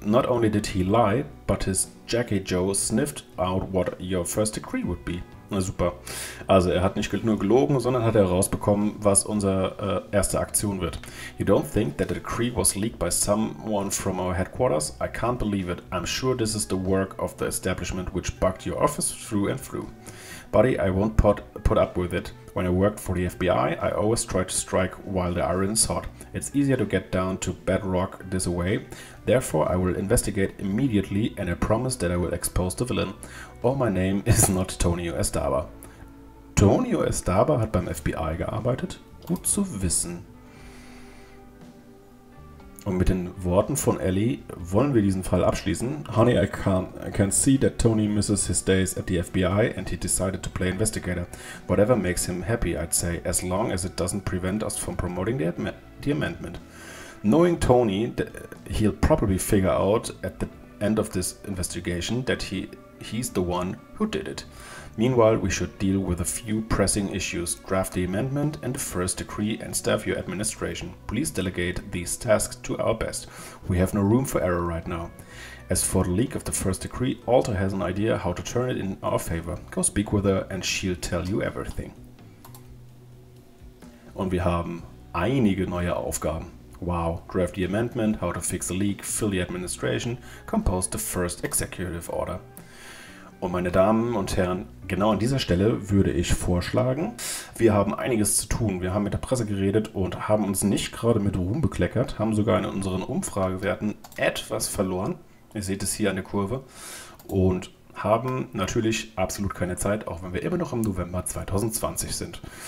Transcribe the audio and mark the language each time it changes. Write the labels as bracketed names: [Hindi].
[English] Not only did he lie, but his Jackie Joe sniffed out what your first decree would be. [German] Na super. Also er hat nicht nur gelogen, sondern hat herausbekommen, was unsere erste Aktion wird. [English] You don't think that the decree was leaked by someone from our headquarters? I can't believe it. I'm sure this is the work of the establishment which bugged your office through and through. Buddy, I won't put up with it. When I worked for the FBI, I always tried to strike while the iron is hot. It's easier to get down to bedrock this way. Therefore, I will investigate immediately and I promise that I will expose the villain. Oh, my name is not Tonio Estaba. [German] Tonio Estaba hat beim FBI gearbeitet? Gut zu wissen. Und mit den Worten von Ellie wollen wir diesen Fall abschließen. [English] Honey, I can see that Tony misses his days at the FBI and he decided to play investigator. Whatever makes him happy, I'd say, as long as it doesn't prevent us from promoting the amendment. Knowing Tony, he'll probably figure out at the end of this investigation that he's the one who did it. Meanwhile, we should deal with a few pressing issues. Draft the amendment and the first decree and staff your administration. Please delegate these tasks to our best. We have no room for error right now. As for the leak of the first decree, Alta has an idea how to turn it in our favor. Go speak with her and she'll tell you everything. [German] Und wir haben einige neue Aufgaben. Wow. [English] Draft the amendment, how to fix the leak, fill the administration, compose the first executive order. [German] Und meine Damen und Herren, genau an dieser Stelle würde ich vorschlagen, wir haben einiges zu tun. Wir haben mit der Presse geredet und haben uns nicht gerade mit Ruhm bekleckert, haben sogar in unseren Umfragewerten etwas verloren. Ihr seht es hier an der Kurve. Und haben natürlich absolut keine Zeit, auch wenn wir immer noch im November 2020 sind.